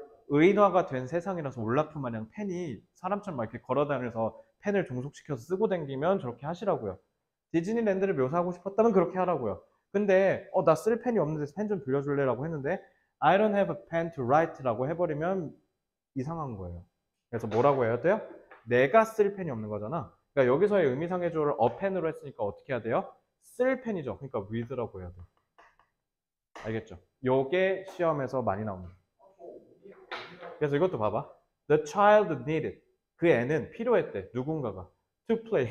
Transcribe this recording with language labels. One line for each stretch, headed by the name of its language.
Korean: 의인화가 된 세상이라서 올라프 마냥 펜이 사람처럼 막 이렇게 걸어다니면서 펜을 종속시켜서 쓰고 댕기면 저렇게 하시라고요. 디즈니랜드를 묘사하고 싶었다면 그렇게 하라고요. 근데, 나쓸 펜이 없는데 펜좀 빌려줄래? 라고 했는데,
English: I don't have a pen to write
Korean: 라고 해버리면 이상한 거예요. 그래서 뭐라고 해야 돼요? 내가 쓸 펜이 없는 거잖아. 그러니까 여기서의 의미상의 주어를 a pen으로 했으니까 어떻게 해야 돼요? 쓸 펜이죠. 그러니까 with라고 해야 돼요. 알겠죠? 요게 시험에서 많이 나옵니다. 그래서 이것도 봐봐.
English: The child needed.
Korean: 그 애는 필요했대. 누군가가.
English: To play.